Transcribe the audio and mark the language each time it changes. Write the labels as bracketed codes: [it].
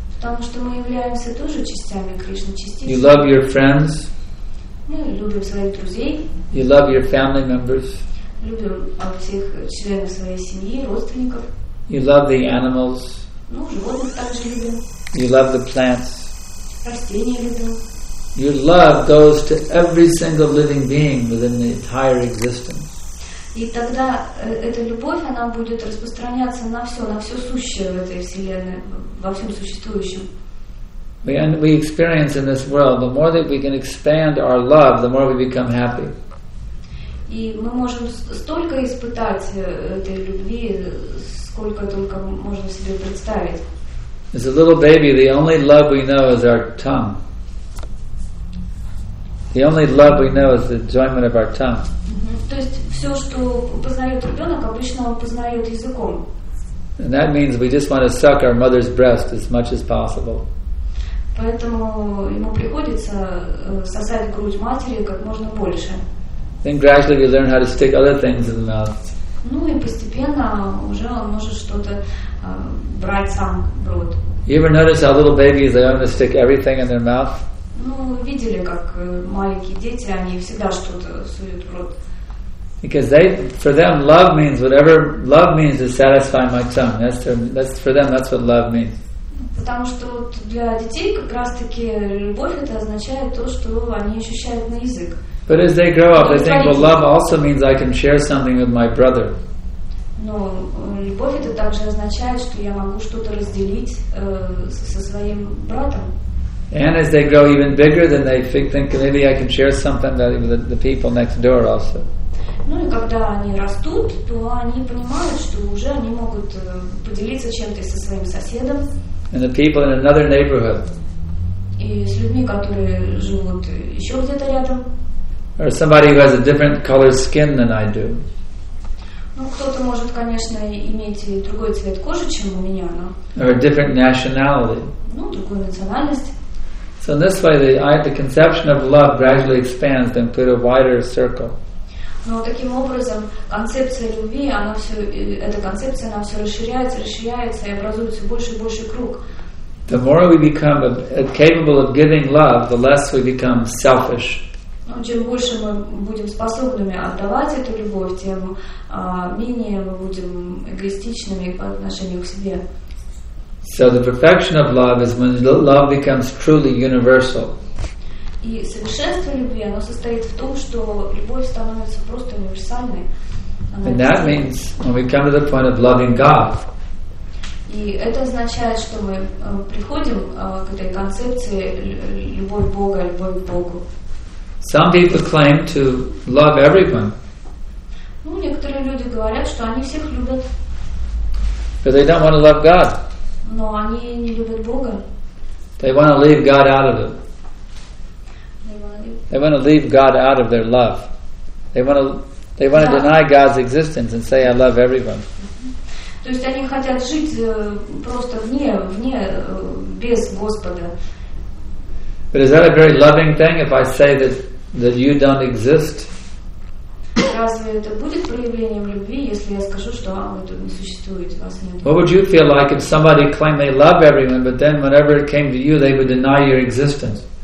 [ru] Потому что мы являемся тоже частями Кришны, частицами. [en] You love your friends. [ru] Мы любим своих друзей. [en] You love your family members. [ru] Любим всех членов своей семьи, родственников. [en] You love the animals. [ru] Ну, животных также любим. [en] You love the plants. [ru] Растения любим. [en] Your love goes to every single living being within the entire existence. [ru] И тогда эта любовь, она будет распространяться на все сущее в этой вселенной, во всем существующем. [en] And we experience in this world, the more that we can expand our love, the more we become happy. [ru] И мы можем столько испытать этой любви, сколько только можно себе представить. [en] As a little baby, the only love we know is our tongue. The only love we know is the enjoyment of our tongue. [ru] То есть все, что познает ребенок, обычно он познает языком. [en] And that means we just want to suck our mother's breast as much as possible. [ru] Поэтому ему приходится сосать грудь матери как можно больше. [en] Then gradually we learn how to stick other things in the mouth. [ru] Ну и постепенно уже он может что-то брать сам в рот. [en] You ever notice how little babies they want to stick everything in their mouth? [ru] Ну видели, как маленькие дети, они всегда что-то суют в рот. [en] Because they, for them, love means whatever love means is satisfy my tongue. That's their, that's for them. That's what love means. [ru] потому что вот для детей как раз-таки любовь это означает то, что они ощущают на язык. [en] But as they grow up, they think, well, love also means I can share something with my brother. [ru] Но любовь это также означает, что я могу что-то разделить со своим братом. [en] And as they grow even bigger, then they think maybe I can share something that with the people next door also. [ru] Ну и когда они растут, то они понимают, что уже они могут поделиться чем-то со своим соседом. [en] And the people in another neighborhood. [ru] И с людьми, которые живут еще где-то рядом. [en] Or somebody who has a different color skin than I do. [ru] Ну кто-то может, конечно, иметь другой цвет кожи, чем у меня, но. [en] Or a different nationality. [ru] Ну другую национальность. [en] So in this way, the conception of love gradually expands and put a wider circle. [ru] Но таким образом концепция любви, она все, эта концепция, она все расширяется, расширяется и образуется больше и больше круг. [en] The more we become capable of giving love, the less we become selfish. [ru] Ну, чем больше мы будем способными отдавать эту любовь, тем менее мы будем эгоистичными по отношению к себе. [en] So the perfection of love is when love becomes truly universal. [ru] И совершенство любви, оно состоит в том, что любовь становится просто универсальной. [en] And that means when we come to the point of loving God. [ru] И это означает, что мы приходим к этой концепции любовь Бога, любовь к Богу. [en] Some people claim to love everyone. [ru] Ну, некоторые люди говорят, что они всех любят. [en] But they don't want to love God. [ru] Но они не любят Бога. [en] They want to leave God out of it. They want to leave God out of their love. They want to deny God's existence and say, "I love everyone." [ru] То есть они хотят жить просто вне без Господа. [en] But is that a very loving thing if I say that you don't exist? [ru] Разве это будет проявлением любви, если я скажу, что вы тут не существуете, вас нет? [en] What would you feel like if somebody claimed they love everyone, but then whenever it came to you, they would deny your existence?